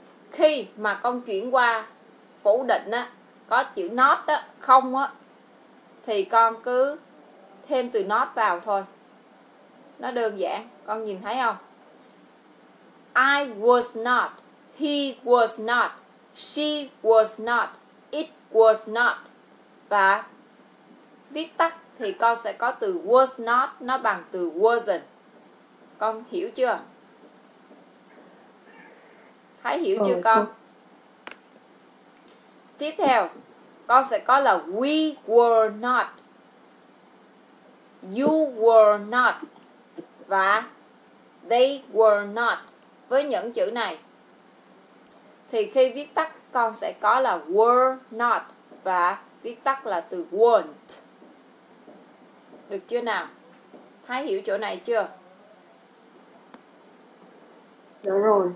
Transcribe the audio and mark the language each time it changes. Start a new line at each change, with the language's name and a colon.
Vietnamese: Khi mà con chuyển qua phủ định á, có chữ not á, không á, thì con cứ thêm từ not vào thôi. Nó đơn giản, con nhìn thấy không?
English: I was not, he was not, she was not, it was not.
Vietnamese: Và viết tắt thì con sẽ có từ was not, nó bằng từ wasn't. Con hiểu chưa? Thấy hiểu chưa con? Tiếp theo, con sẽ có là
English: we were not, you were not
Vietnamese: và
English: they were not.
Vietnamese: Với những chữ này thì khi viết tắt con sẽ có là were not và viết tắt là từ weren't. Được chưa nào? Thấy hiểu chỗ này chưa? Dạ rồi.